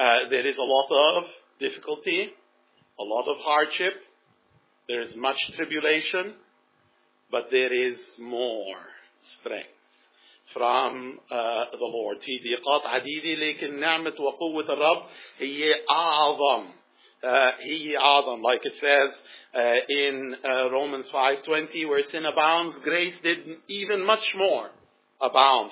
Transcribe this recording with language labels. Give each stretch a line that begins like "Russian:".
English: There is a lot of difficulty, a lot of hardship. There is much tribulation, but there is more strength from the Lord.
Arabic: في ضيقات عديدة لكن نعمة وقوة الرب هي أعظم.
English: Like it says in Romans 5:20, where sin abounds, grace did even much more abound.